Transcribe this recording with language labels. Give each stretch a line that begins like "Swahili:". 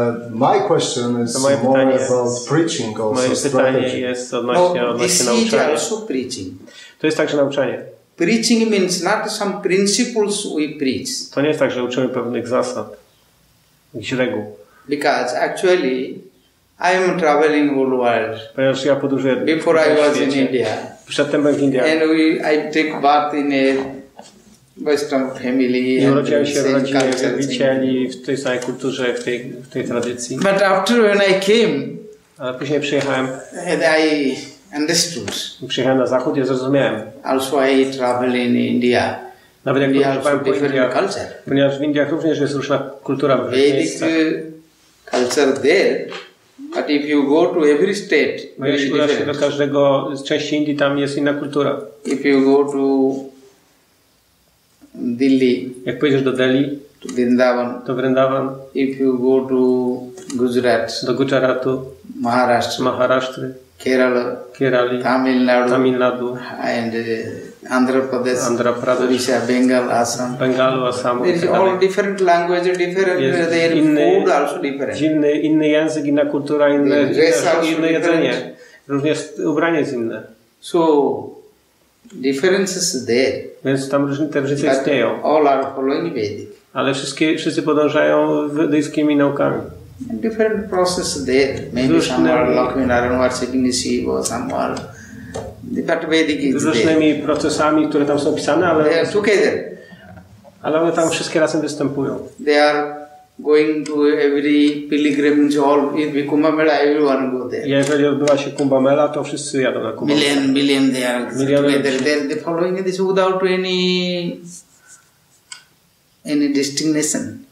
English: My question is more about preaching also, strategy.
Polish: Moje pytanie jest odnośnie nauczania.
English: Also preaching.
Polish: To jest także nauczanie.
English: Preaching means not some principles we preach.
Polish: To nie jest tak, że uczymy pewnych zasad, jakichś reguł.
English: Because actually I am traveling all world.
Polish: Ponieważ ja podróżuję.
English: Before I was in India.
Polish: Przedtem byłem w Indiach.
English: And I take part in a Western family.
Polish: I urodziłem się w rodzinie wierzycieli, w tej samej kulturze, w tej tradycji.
English: But after when I came.
Polish: Ale później przyjechałem.
English: And I understood.
Polish: Przyjechałem na zachód, ja zrozumiałem.
English: Also I travel in India.
Polish: Nawet jak
English: India also different India, culture.
Polish: Ponieważ w Indiach również jest różna kultura.
English: Vedic culture there, but if you go to every state,
Polish: no jeśli udasz się do każdego z części Indii, tam jest inna kultura.
English: If you go to Delhi,
Polish: jak pojedziesz do Delhi,
English: to Vrindavan, if you go to Gujarat,
Polish: do Gujaratu,
English: Maharashtra, Kerala, Tamil Nadu, and Andhra Pradesh, Odisha, Bengal, Assam. There is all different languages, different their
Polish: inny,
English: food also different.
Polish: Inny język, inna kultura, inne jedzenie.
English: Different.
Polish: Również ubranie jest inne.
English: So differences there.
Polish: Więc tam różnice istnieją.
English: All are following Vedic.
Polish: Ale wszyscy podążają wedyjskimi naukami.
English: Different process there. Maybe some are Lakshmi Narayana worshiping Shiva, some are. But Vedic is there.
Polish: Z różnymi procesami, które tam są opisane, ale.
English: They are together.
Polish: Ale one tam wszystkie razem występują.
English: They are going to every pilgrimage, all in Kumbh Mela, everyone go there.
Polish: Jeżeli odbywa się Kumbh Mela, to wszyscy jadą na Kumbh.
English: Million, they are together. They're following this without any distinction.